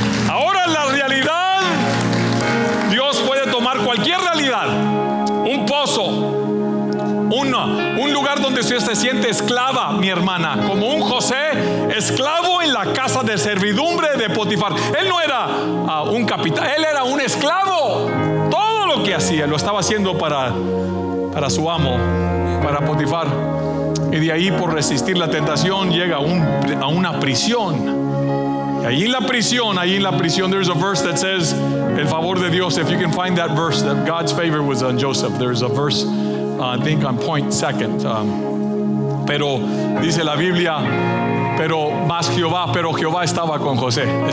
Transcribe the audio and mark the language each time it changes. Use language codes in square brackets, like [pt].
[es] Ahora la realidad, Dios puede tomar cualquier realidad, un pozo, un lugar donde usted se siente esclava, mi hermana, como un José, esclavo en la casa de servidumbre de Potifar. Él no era un capitán, él era un esclavo. Todo lo que hacía, lo estaba haciendo para su amo, para Potifar. Y de ahí, por resistir la tentación, llega a una prisión. Y ahí en la prisión, [en] there's a verse that says, [es] el favor de Dios, [en] if you can find that verse, that God's favor was on Joseph, there's a verse. I think I'm point second. [es] Pero dice la Biblia, pero Jehová estaba con José.